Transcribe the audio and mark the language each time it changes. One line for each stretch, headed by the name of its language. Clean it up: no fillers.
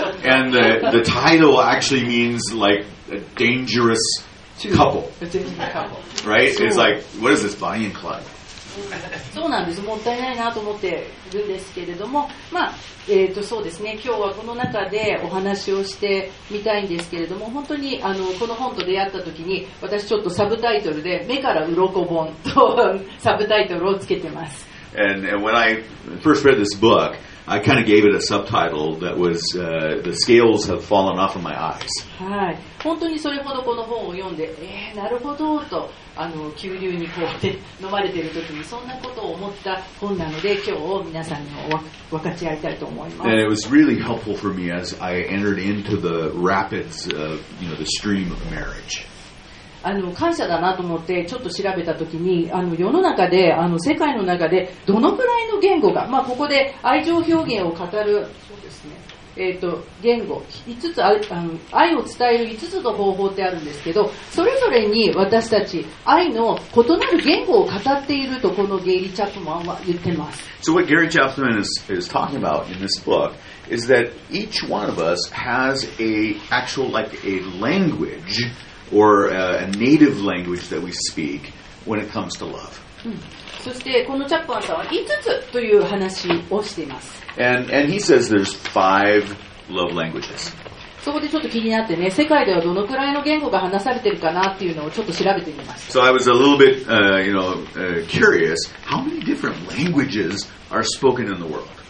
English: And the title actually means like a dangerous...Couple. Right? It's like, what is this, Bonnie and Clyde?
Japanese: そうなんです。もったいないなと思っているんですけれども、まあそうですね、今日はこの中でお話をしてみたいんですけれども、本当にこの本と出会った時に、私ちょっとサブタイトルで目から鱗本とサブタイトルをつけてます。
English: And when I first read this book, I kind of gave it a subtitle that was The Scales Have Fallen Off of My Eyes.
Japanese: はい、本当にそれほどこの本を読んで、なるほどと急流にこうって飲まれている時にそんなことを思った本なので、今日を皆さんに分かち合いたいと思います。
English: And it was really helpful for me as I entered into the rapids of, you know, the stream of marriage.
Japanese: 感謝だなと思ってちょっと調べた時に、世の中で世界の中でどのくらいの言語が、まあ、ここで愛情表現を語る、そうですね、言語5つ、愛を伝える5つの方法ってあるんですけど、それぞれに私たち愛の異なる言語を語っていると、このゲイリー・チャップマンは言ってます。
English: So what Gary Chapman is talking about in this book is that each one of us has a actual like a language or a native language that we speak when it comes to love.
Japanese: そしてこのチャップマンさんは5つという話をしています。
English: And he says there's five love languages.
Japanese: そこでちょっと気になってね、世界ではどのくらいの言語が話されてるかなっていうのをちょっと調べてみました。
English: So I was a little bit, curious. How many different languages are spoken in the world?